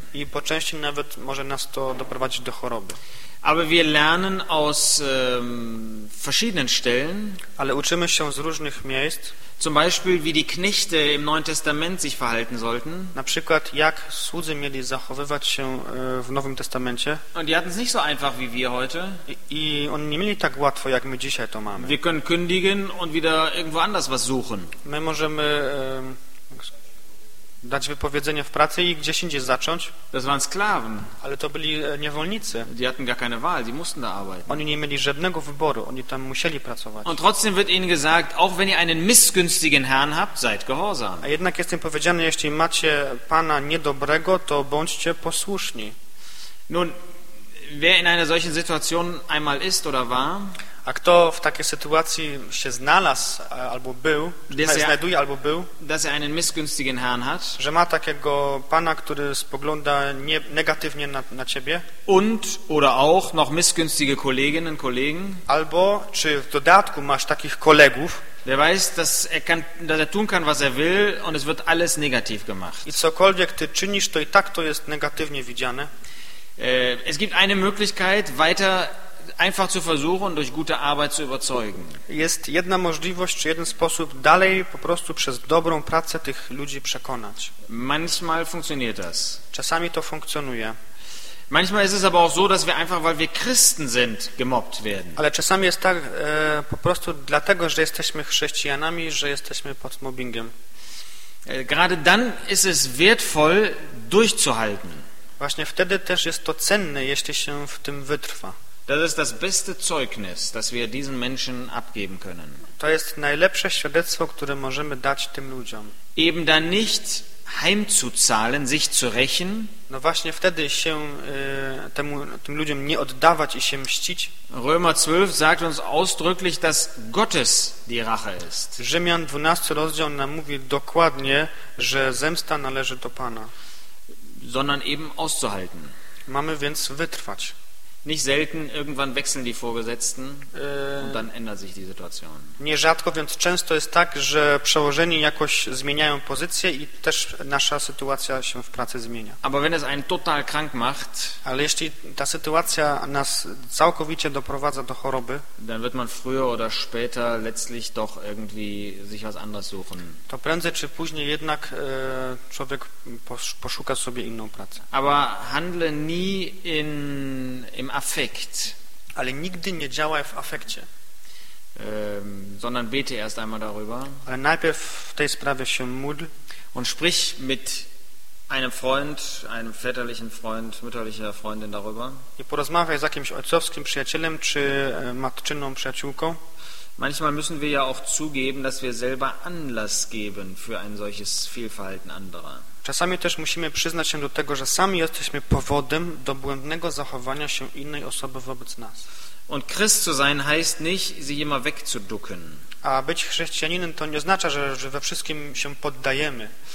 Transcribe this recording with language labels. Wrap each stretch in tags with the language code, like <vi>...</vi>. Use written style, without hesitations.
<pl>I po części nawet może nas to doprowadzić do choroby.</pl> <de>Aber wir lernen aus verschiedenen Stellen.</de> <pl>Ale uczymy się z różnych miejsc.</pl> <de>Zum Beispiel, wie die Knechte im Neuen Testament sich verhalten sollten.</de> <pl>Na przykład, jak słudzy mieli zachowywać się w Nowym Testamencie.</pl> <de>Und die hatten es nicht so einfach wie wir heute.</de> <pl>I oni nie mieli tak łatwo, jak my dzisiaj to mamy.</pl> <de>Wir können kündigen und wieder irgendwo anders was suchen.</de> <pl>My możemy dać wypowiedzenie w pracy i gdzieś indziej zacząć.</pl> <de>Das waren Sklaven.</de> <pl>Ale to byli niewolnicy.</pl> <de>Die hatten gar keine Wahl, die mussten da arbeiten.</de> <pl>Oni nie mieli żadnego wyboru, oni tam musieli pracować.</pl> <de>Und trotzdem wird ihnen gesagt, auch wenn ihr einen missgünstigen Herrn habt, seid gehorsam.</de> <pl>A jednak jest im powiedziane, jeśli macie pana niedobrego, to bądźcie posłuszni.</pl> <de>Nun, wer in einer solchen Situation einmal ist oder war,</de> <pl>a kto w takiej sytuacji się znalazł albo był, czy znajduje albo był,</pl> <de>dass er einen missgünstigen Herrn hat,</de> <pl>że ma takiego pana, który spogląda negatywnie na ciebie,</pl> <de>und oder auch noch missgünstige Kolleginnen und Kollegen,</de> <pl>albo czy w dodatku masz takich kolegów,</pl> <de>der weiß, dass er tun kann, was er will, und es wird alles negativ gemacht.</de> <pl>I cokolwiek ty czynisz, to i tak to jest negatywnie widziane.</pl> <de>Es gibt eine Möglichkeit, weiter einfach zu versuchen, durch gute Arbeit zu überzeugen.</de> <pl>Jest jedna możliwość, czy jeden sposób, dalej po prostu przez dobrą pracę tych ludzi przekonać.</pl> <de>Manchmal funktioniert das.</de> <pl>Czasami to funkcjonuje.</pl> <de>Manchmal ist es aber auch so, dass wir einfach, weil wir Christen sind, gemobbt werden.</de> <pl>Ale czasami jest tak, po prostu dlatego, że jesteśmy chrześcijanami, że jesteśmy pod mobbingiem.</pl> <de>Gerade dann ist es wertvoll, durchzuhalten.</de> <pl>Właśnie wtedy też jest to cenne, jeśli się w tym wytrwa.</pl> <de>Das ist das beste Zeugnis, das wir diesen Menschen abgeben können.</de> <pl>To jest najlepsze świadectwo, które możemy dać tym ludziom.</pl> <de>Eben da nicht heimzuzahlen, sich zu rächen.</de> <pl>No właśnie wtedy się tym ludziom nie oddawać i się mścić.</pl> <de>Römer 12 sagt uns ausdrücklich, dass Gottes die Rache ist.</de> <pl>Rzymian 12 rozdział nam mówi dokładnie, że zemsta należy do Pana.</pl> <de>Sondern eben auszuhalten.</de> <pl>Mamy więc wytrwać.</pl> <de>Nicht selten irgendwann wechseln die Vorgesetzten und dann ändert sich die Situation.</de> <pl>Nierzadko, więc często jest tak, że przełożeni jakoś zmieniają pozycję i też nasza sytuacja się w pracy zmienia.</pl> <de>Aber wenn es einen total krank macht,</de> <pl>ale jeśli ta sytuacja nas całkowicie doprowadza do choroby,</pl> <de>dann wird man früher oder später letztlich doch irgendwie sich was anderes suchen.</de> <pl>To prędzej czy później jednak człowiek poszuka sobie inną pracę.</pl> <de>Aber handle nie im Affekt.</de> <pl>Ale nigdy nie działaj w afekcie.</pl> <de>Sondern bete erst einmal darüber.</de> <pl>Ale najpierw w tej sprawie się módl.</pl> <de>Und sprich mit einem Freund, einem väterlichen Freund, mütterlicher Freundin darüber.</de> <pl>I porozmawiaj z jakimś ojcowskim przyjacielem czy matczyną przyjaciółką.</pl> <de>Manchmal müssen wir ja auch zugeben, dass wir selber Anlass geben für ein solches Fehlverhalten anderer.</de> <pl>Czasami też musimy przyznać się do tego, że sami jesteśmy powodem do błędnego zachowania się innej osoby wobec nas.</pl> <de>Und Christ zu sein heißt nicht, sich immer wegzuducken.</de> <pl>A być chrześcijaninem to nie oznacza, że we wszystkim się poddajemy.</pl>